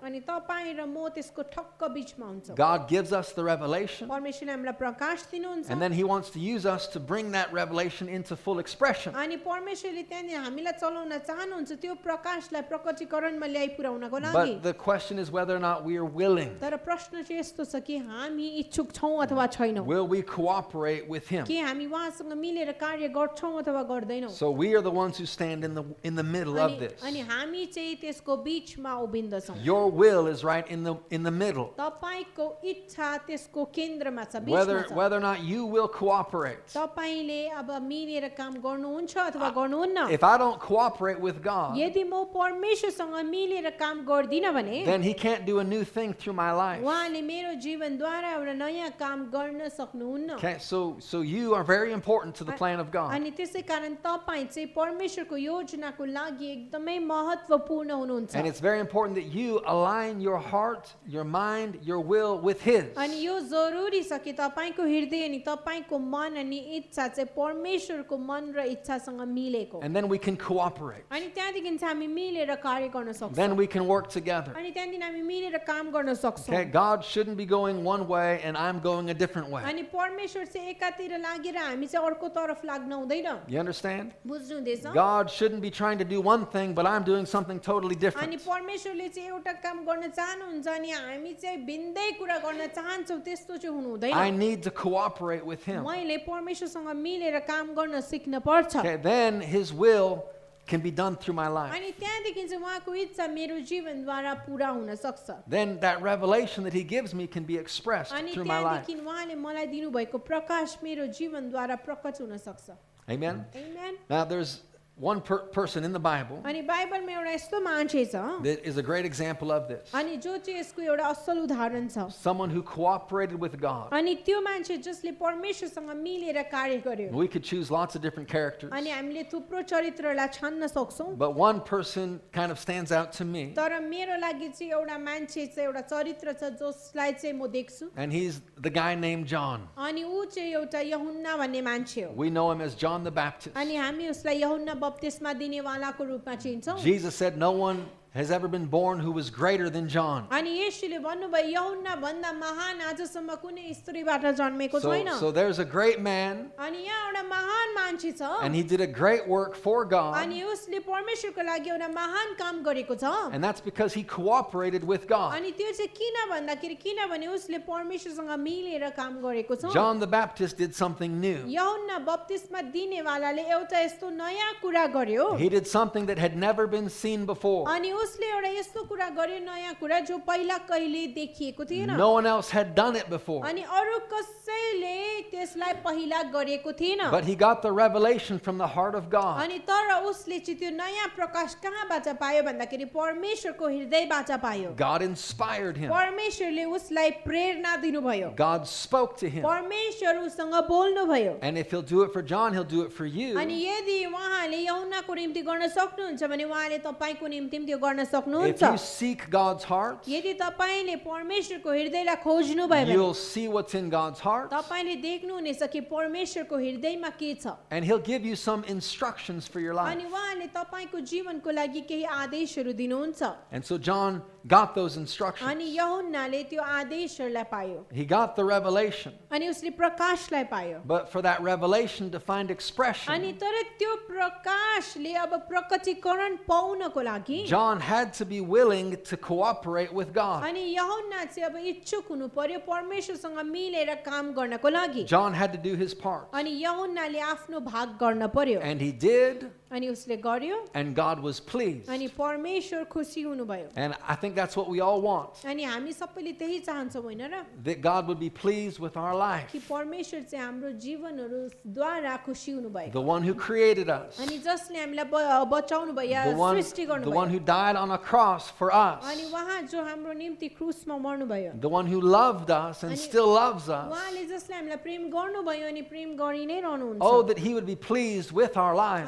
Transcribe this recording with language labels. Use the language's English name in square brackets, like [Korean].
[Nepali] अनि तपाईं र म त्यसको ठक्क बीचमा हुन्छौं. [English] God gives us the revelation. [Nepali] परमेश्वरले हामीलाई प्रकाश दिनुहुन्छ. [English] And then He wants to use us to bring that revelation into full expression. [Nepali] अनि परमेश्वरले त्यहाँ हामीलाई चलाउन चाहनुहुन्छ त्यो प्रकाशलाई प्रकटीकरणमा ल्याइ पुर्याउनको लागि. [English] But the question is whether or not we are willing. [Nepali] तर प्रश्न चाहिँ यस्तो छ कि हामी इच्छुक छौं अथवा छैनौं. [English] Will we cooperate with Him? [Nepali] के हामी उहाँसँग मिलेर कार्य गर्छौं अथवा गर्दैनौं? [English] So we are the ones who stand in the middle of this. [Nepali] अनि हामी चाहिँ त्यसको बीचमा उभिन्दछौं. [English] Your will is right in the middle. [Nepali] तपाईंको इच्छा त्यसको केन्द्रमा छ, बीचमा [English] छ. Whether or not you will cooperate. [Nepali] तपाईंले अब मिलेर काम गर्नुहुन्छ अथवा गर्नुहुन्न? [English] If I don't cooperate with God, [Nepali] यदि म परमेश्वरसँग मिलेर काम गर्दिन भने, [English] then He can't do a new thing through my life. [Nepali] उहाँले मेरो जीवनद्वारा एउटा नयाँ काम गर्न सक्नुहुन्न. [English] Okay, so you are very important to the plan of God. [Nepali] अनि त्यसै कारण तपाईं चाहिँ परमेश्वरको योजनाको लागि एकदमै महत्त्वपूर्ण हुनुहुन्छ. [English] And it's very important that you align your heart, your mind, your will with His. [Nepali] अनि यो जरुरी छ कि तपाईंको हृदय अनि तपाईंको मन अनि इच्छा चाहिँ परमेश्वरको मन र इच्छासँग मिलेको. [English] And then we can cooperate. [Nepali] अनि त्यहाँदेखि हामी मिलेर कार्य गर्न सक्छौं. [English] Then we can work together. [Nepali] अनि त्यहाँदेखि हामी मिलेर काम गर्न सक्छौं. [English] Okay, God shouldn't be going one way and I'm going a different way. [Nepali] अनि परमेश्वर चाहिँ एकातिर लागेर हामी चाहिँ अर्को तरफ लाग्न हुँदैन. [English] You understand? [Nepali] बुझ्नुहुँदैछ? [English] God shouldn't be trying to do one thing but I'm doing something totally different. [Nepali] अनि परमेश्वरले चाहिँ एउटा काम गर्न चाहनुहुन्छ अनि हामी चाहिँ भिन्दै कुरा गर्न चाहन्छौं, त्यस्तो चाहिँ हुनु हुँदैन. [English] I need to cooperate with Him. [Nepali] मैले परमेश्वरसँग मिलेर काम गर्न सिक्न पर्छ. [English] Okay, then His will can be done through my life. [Nepali] अनि त्यहाँदेखि चाहिँ उहाँको इच्छा मेरो जीवनद्वारा पूरा हुन सक्छ. [English] Then that revelation that He gives me can be expressed through my life. [Nepali] अनि त्यहाँदेखि उहाँले मलाई दिनुभएको प्रकाश मेरो जीवनद्वारा प्रकट हुन सक्छ. [English] Amen. Amen. Now there's one person in the Bible. [Nepali] अनि बाइबलमा एउटा यस्तो मान्छे छ. [English] That is a great example of this. [Nepali] अनि जो चाहिँ यसको एउटा असल उदाहरण छ. [English] Someone who cooperated with God. [Nepali] अनि त्यो मान्छे जसले परमेश्वरसँग मिलेर कार्य गर्यो. [English] We could choose lots of different characters. [Nepali] अनि हामीले थुप्रो चरित्रहरूलाई छान्न सक्छौं. [English] But one person kind of stands out to me. [Nepali] तर मेरो लागि चाहिँ एउटा मान्छे छ, एउटा चरित्र छ जसलाई चाहिँ म देख्छु. [English] And he's the guy named John. [Nepali] अनि ऊ चाहिँ एउटा यहुन्ना भन्ने मान्छे हो. [English] We know him as John the Baptist. [Nepali] अनि हामी उसलाई यहुन्ना बप्तिस्मा दिनेवालाको रूपमा चिन्छौं. [English] Jesus said no one has ever been born who was greater than John. [Nepali] अनि यीशुले भन्नुभयो यहोन्ना भन्दा महान आजसम्म कुनै स्त्रीबाट जन्मेको छैन. [English] So there's a great man. [Nepali] अनि यहाँ एउटा महान मान्छे छ. [English] And he did a great work for God. [Nepali] अनि उसले परमेश्वरको लागि एउटा महान काम गरेको छ. [English] And that's because he cooperated with God. [Nepali] अनि त्यो चाहिँ किन भन्दाखेरि किनभने उसले परमेश्वरसँग मिलेर काम गरेको छ. [English] John the Baptist did something new. [Nepali] यहोन्ना बप्तिस्मा दिनेवालाले एउटा यस्तो नयाँ कुरा गर्यो. [English] He did something that had never been seen before. [Nepali] अनि उसले एउटा यस्तो कुरा गर्यो, नयाँ कुरा जो पहिला कहिले देखिएको थिएन. [English] No one else had done it before. [Nepali] अनि अरु कसैले त्यसलाई पहिला गरेको थिएन. [English] But he got the revelation from the heart of God. [Nepali] अनि तर उसले चाहिँ त्यो नयाँ प्रकाश कहाँबाट पायो भन्दाखेरि परमेश्वरको हृदयबाट पायो. [English] God inspired him. [Nepali] परमेश्वरले उसलाई प्रेरणा दिनुभयो. [English] God spoke to him. [Nepali] परमेश्वर उसँग बोल्नुभयो. [English] And if he'll do it for John, he'll do it for you. [Nepali] अनि यदि उहाँले यहोन्नाको निम्ति गर्न सक्नुहुन्छ भने उहाँले तपाईँको निम्ति [English] If you seek God's heart, [Nepali] यदि तपाईले परमेश्वरको हृदयलाई खोज्नु भयो [English] भने, you'll see what's in God's heart. [Nepali] तपाईले देख्नु हुनेछ कि परमेश्वरको हृदयमा के छ. [English] And he'll give you some instructions for your life. [Nepali] अनि उहाँले तपाईको जीवनको लागि केही आदेशहरू दिनुहुन्छ. [English] And so John got those instructions. [Nepali] अनि यहोन्नाले त्यो आदेशहरूलाई पायो. [English] He got the revelation. [Nepali] अनि उसले प्रकाशलाई पायो. [English] But for that revelation to find expression, [Nepali] अनि तर त्यो प्रकाशले अब प्रकटीकरण पाउनको लागि [English] John had to be willing to cooperate with God. [Nepali] अनि यहोन्ना चाहिँ अब इच्छुक हुनु पर्यो परमेश्वरसँग मिलेर काम गर्नको लागि. [English] John had to do his part. [Nepali] अनि यहोन्नाले आफ्नो भाग गर्न पर्यो. [English] And he did. [Nepali] अनि उसले गर्यो. [English] And God was pleased. [Nepali] अनि परमेश्वर खुसी हुनुभयो. [English] And I think that's what we all want. [Nepali] अनि हामी सबैले त्यही चाहन्छौं, होइन र? [English] That God would be pleased with our life. [Nepali] कि परमेश्वर चाहिँ हाम्रो जीवनहरूद्वारा खुसी हुनुभयो. [English] The one who created us. [Nepali] अनि जसले हामीलाई बचाउनुभयो या सृष्टि गर्नुभयो. [English] Who died on a cross for us. [Nepali] अनि वहाँ जो हाम्रो निम्ति क्रूसमा मर्नुभयो. [English] The one who loved us and still loves us. [Nepali] वहाँले जसले हामीलाई प्रेम गर्नुभयो अनि प्रेम गरि नै रहनुहुन्छ. [English] Oh, that he would be pleased with our lives.